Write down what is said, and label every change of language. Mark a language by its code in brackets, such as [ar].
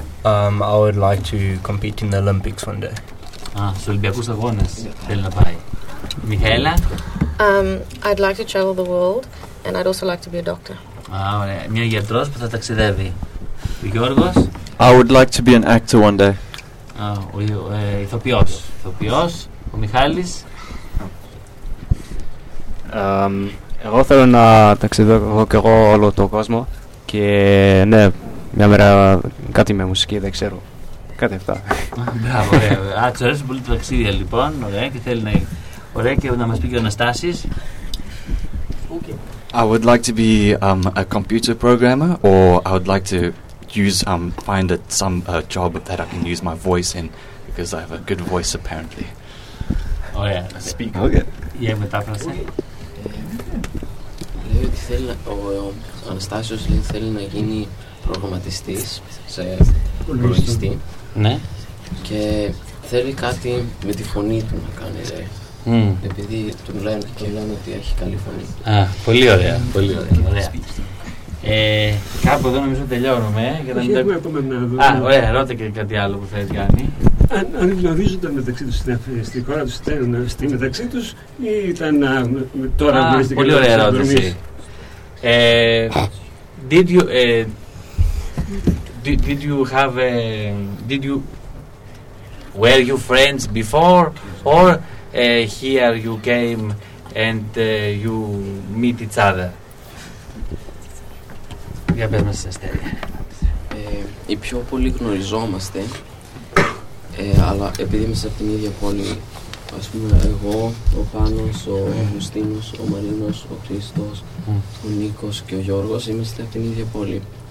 [en] I would like to compete in the Olympics one day. [el] Α, στους Ολυμπιακούς Αγώνες θέλει να πάει. Μιχαέλα. [en] I'd like to travel the world and I'd also like to be a doctor. [el] Α, ωραία. Μια γιατρός που θα ταξιδεύει. Ο Γιώργος. [en] I would like to be an actor one day. [el] Α, ο ηθοποιός. Ηθοποιός. Ο Μιχάλης. Εγώ θέλω να ταξιδεύω και εγώ όλο τον κόσμο και ναι, μια μέρα κάτι με μουσική, δεν ξέρω. Κάτι αυτά. Μπράβο, ωραία. Α, τους αρέσει πολύ το ταξίδια λοιπόν, ωραία, και θέλει να... Ωραία, και να μας πει και ο Αναστάσης. [en] Okay. I would like to be a computer programmer or I would like to use, find it some job that I can use my voice in because I have a good voice apparently. [el] Ωραία. Για μετάφραση. Ο Αναστάσιος λέει ότι θέλει να γίνει προγραμματιστής σε υπολογιστή. Ναι. Και θέλει κάτι με τη φωνή του να κάνει. Επειδή τον λένε ότι έχει καλή φωνή. Α, πολύ ωραία. Πολύ ωραία. Κάπου εδώ νομίζω τελειώνουμε. Α, ωραία. Ρώτα και κάτι άλλο που θέλει κάνει. Αν γνωρίζονταν μεταξύ τους στην χώρα τους, στη μεταξύ τους ή ήταν τώρα που είστε πολύ ωραία ερώτηση. [en] Were you friends before or here you came and you meet each other? [el] Για πες μας, Αστέρια. Οι πιο πολύ γνωριζόμαστε. Αλλά επειδή είμαστε από την ίδια πόλη, ας πούμε, εγώ, ο Πάνος, ο Αγουστίνος, ο Μαρίνος, ο Χρήστος, ο Νίκος και ο Γιώργος, είμαστε από την ίδια πόλη.